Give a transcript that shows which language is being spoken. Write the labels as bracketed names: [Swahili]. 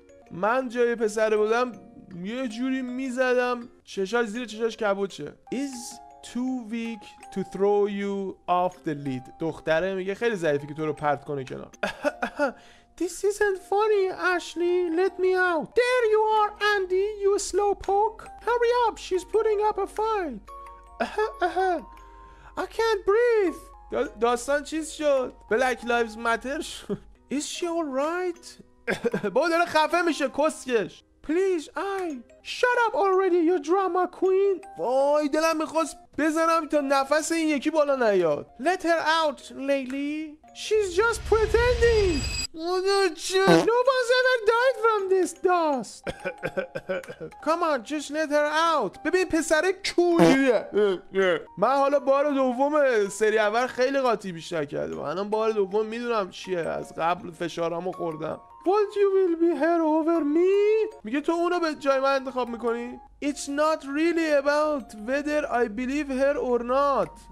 [Persian] من جای پسر بودم یه جوری میزدم چشاش زیر چشاش کبوچه. [English] Is too weak to throw you off the lid. [Persian] دختره میگه خیلی ضعیفی که تو رو پرت کنه کنار. [English] This isn't funny, Ashley. Let me out. There you are, Andy, you slow poke. Hurry up, she's putting up a fight. I can't breathe. [Persian] داستان چیز شد؟ [English] Black Lives Matter [Persian] شد. [English] Is she alright? [Persian] با داره خفه میشه کسکش. [English] Please, I. Shut up already, you drama queen. [Persian] وای دلم میخواست بزنم تا نفس این یکی بالا نیاد. [English] Let her out, Leyley. She's just pretending. No one's ever died from this dust. Come on, just let her out. [Persian] ببین پسره کوریه. من حالا بار دوم سری اول خیلی قاطی بیشتر کردم. الان بار دوم میدونم چیه. از قبل فشارمو خوردم. [English] What you will be her over me? [Persian] میگه تو اونو به جای من انتخاب میکنی؟ [English] It's not really about whether I believe her or not.